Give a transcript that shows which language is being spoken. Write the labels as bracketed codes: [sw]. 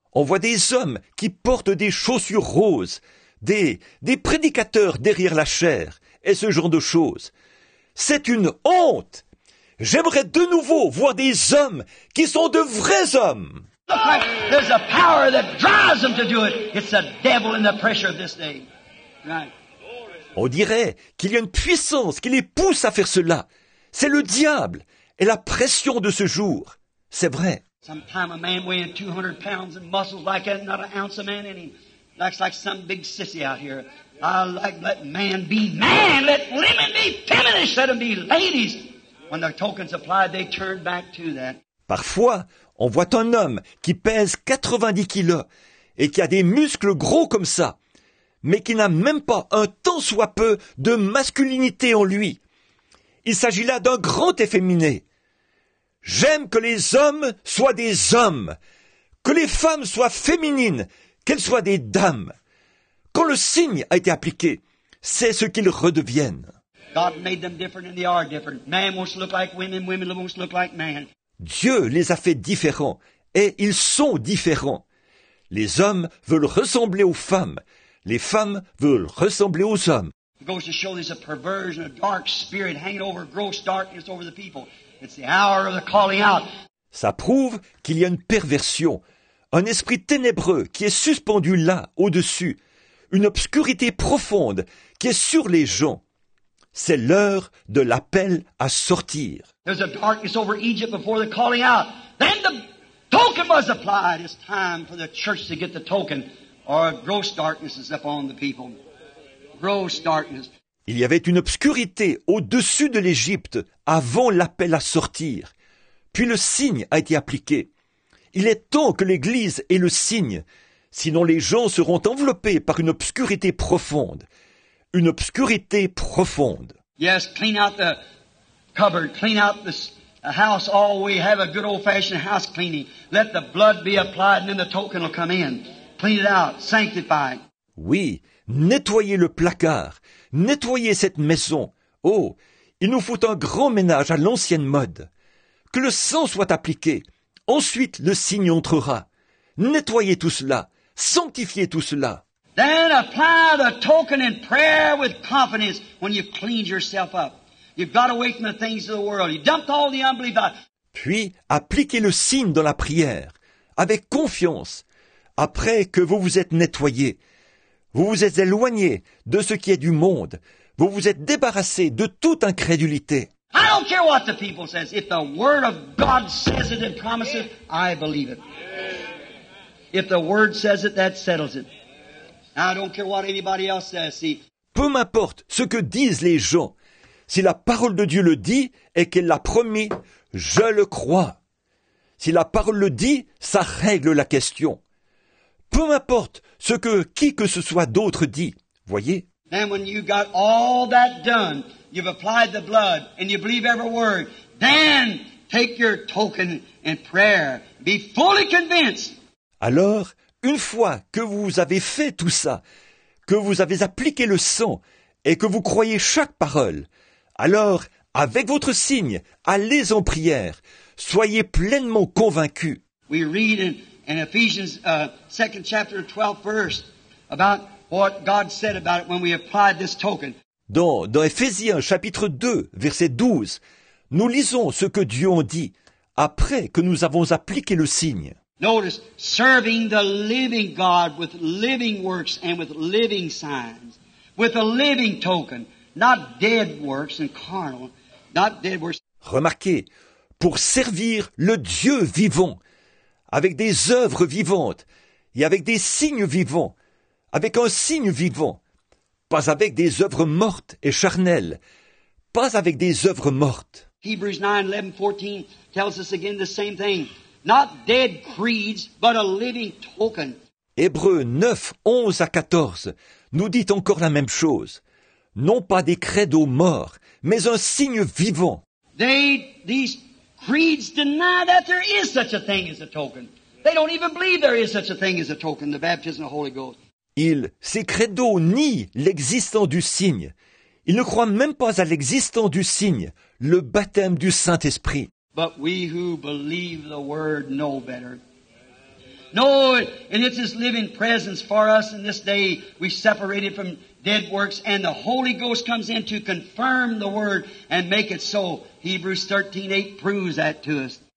[fr] On voit des hommes qui portent des chaussures roses. Des prédicateurs derrière la chair et ce genre de choses. C'est une honte. J'aimerais de nouveau voir des hommes qui sont de vrais hommes. [en] There's a power that drives them to do it. It's the devil and the pressure of this day. Right. [fr] On dirait qu'il y a une puissance qui les pousse à faire cela. C'est le diable et la pression de ce jour. C'est vrai. [en] Sometimes a man weighing 200 pounds and muscles like that, not an ounce of man in him. Acts like some big sissy out here. I like let man be man, let women be feminist, let them be ladies. When the tokens applied, they turned back to that. [fr] Parfois, on voit un homme qui pèse 90 kilos et qui a des muscles gros comme ça, mais qui n'a même pas un tant soit peu de masculinité en lui. Il s'agit là d'un grand efféminé. J'aime que les hommes soient des hommes, que les femmes soient féminines, qu'elles soient des dames. Quand le signe a été appliqué, c'est ce qu'ils redeviennent. [en] God made them different and they are different. Man wants to look like women, women wants to look like man. [fr] Dieu les a fait différents et ils sont différents. Les hommes veulent ressembler aux femmes. Les femmes veulent ressembler aux hommes. [en] It goes to show there's a perversion, a dark spirit hanging over gross darkness over the people. It's the hour of the calling out. [fr] Ça prouve qu'il y a une perversion, un esprit ténébreux qui est suspendu là, au-dessus, une obscurité profonde qui est sur les gens. C'est l'heure de l'appel à sortir. [en] There's a darkness over Egypt before the calling out. Then the token was applied. It's time for the church to get the token. Or gross darkness is upon the people. Gross darkness. [fr] Il y avait une obscurité au-dessus de l'Égypte avant l'appel à sortir. Puis le signe a été appliqué. Il est temps que l'Église ait le signe, sinon les gens seront enveloppés par une obscurité profonde. Une obscurité profonde. [en] Yes, clean out the cupboard, clean out this house all we have a good old-fashioned house cleaning. Let the blood be applied and then the token will come in. Clean it out, sanctify it. [fr] Oui, nettoyez le placard, nettoyez cette maison. Oh, il nous faut un grand ménage à l'ancienne mode. Que le sang soit appliqué, ensuite le signe entrera. Nettoyez tout cela, sanctifiez tout cela. [en] Then apply the token in prayer with confidence when you've cleaned yourself up. You've got away from the things of the world. You dumped all the unbelief out. [fr] Puis, appliquez le signe dans la prière, avec confiance, après que vous vous êtes nettoyé. Vous vous êtes éloigné de ce qui est du monde. Vous vous êtes débarrassé de toute incrédulité. [en] I don't care what the people says. If the word of God says it and promises, I believe it. If the word says it, that settles it. I don't care what anybody else says, see. [fr] Peu m'importe ce que disent les gens. Si la parole de Dieu le dit et qu'elle l'a promis, je le crois. Si la parole le dit, ça règle la question. Peu m'importe ce que qui que ce soit d'autre dit, voyez. [en] Then when you got all that done, you've applied the blood and you believe every word, then take your token in prayer. Be fully convinced. [fr] Alors, une fois que vous avez fait tout ça, que vous avez appliqué le sang et que vous croyez chaque parole, alors, avec votre signe, allez en prière. Soyez pleinement convaincus. [en] We read in Ephesians 2nd chapter 12th verse about what God said about it when we applied this token. [fr] Dans Ephésiens chapitre 2 verset 12, nous lisons ce que Dieu en dit après que nous avons appliqué le signe. [en] Notice serving the living God with living works and with living signs, with a living token, not dead works and carnal, not dead works. [fr] Remarquez, pour servir le Dieu vivant, avec des œuvres vivantes et avec des signes vivants, avec un signe vivant, pas avec des œuvres mortes et charnelles, pas avec des œuvres mortes. [en] Hebrews 9, 11, 14 tells us again the same thing. Not dead creeds, but a living token. [fr] Hébreux 9, 11 à 14 nous dit encore la même chose. Non pas des credos morts, mais un signe vivant. [en] These creeds deny that there is such a thing as a token. They don't even believe there is such a thing as a token, the baptism of the Holy Ghost. [fr] Ces credos nient l'existence du signe. Ils ne croient même pas à l'existence du signe, le baptême du Saint-Esprit. [en] But we who believe the word know better. Know, and it's his living presence for us in this day. We separated from dead works, and the Holy Ghost comes in to confirm the word and make it so. Hebrews 13:8 proves that to us.